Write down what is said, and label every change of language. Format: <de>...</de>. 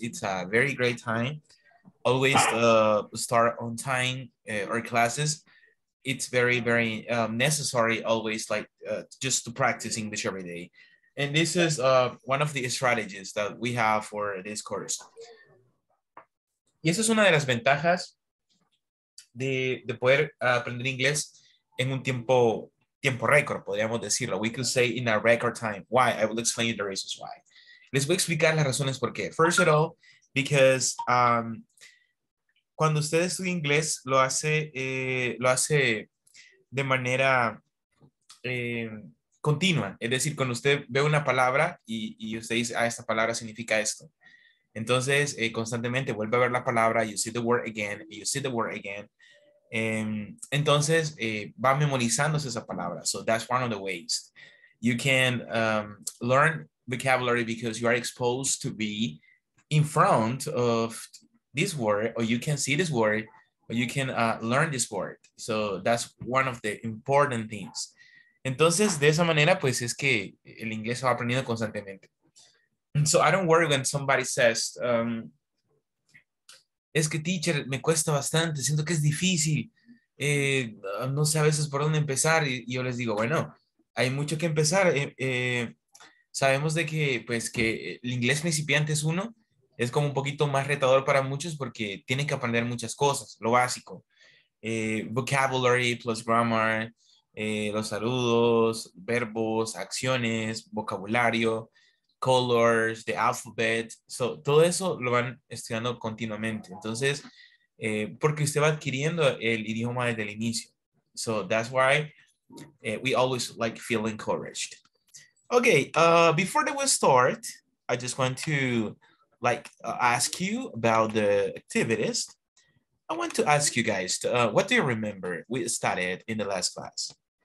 <en>It's a very great time. Always start on time our classes. It's very, very necessary always, like just to practice English every day. And this is one of the strategies that we have for this course.</en> <es>Y esa es una de las ventajas de poder aprender inglés en un tiempo récord, podríamos decirlo.</es> <en>We could say in a record time. Why? I will explain you the reasons why.</en> <es>Les voy a explicar las razones por qué.</es> <en>First of all, because</en> <es>cuando usted estudia inglés, lo hace de manera continua. Es decir, cuando usted ve una palabra y usted dice, ah, esta palabra significa esto. Entonces, constantemente vuelve a ver la palabra,</es> <en>you see the word again,</en> <es>you see the word again. Entonces, va memorizándose esa palabra.</es> <en>So that's one of the ways. You can learn vocabulary because you are exposed to be in front of this word, or you can see this word, or you can learn this word. So that's one of the important things.</en> <es>Entonces, de esa manera, pues es que el inglés va aprendiendo constantemente.</es> <en>So I don't worry when somebody says,</en> <es>es que teacher, me cuesta bastante, siento que es difícil, no sé a veces por dónde empezar, y yo les digo, bueno, hay mucho que empezar, sabemos de que, pues, que el inglés principiante es uno, es como un poquito más retador para muchos porque tienen que aprender muchas cosas, lo básico,</es> <en>vocabulary plus grammar,</en> <es>los saludos, verbos, acciones, vocabulario,</es> <en>colors, the alphabet,</en> <es>so todo eso lo van estudiando continuamente. Entonces, porque usted va adquiriendo el idioma desde el inicio.</es> <en>So that's why we always like feel encouraged. Okay, before we start, I just want to like ask you about the activities. I want to ask you guys, what do you remember we studied in the last class?</en>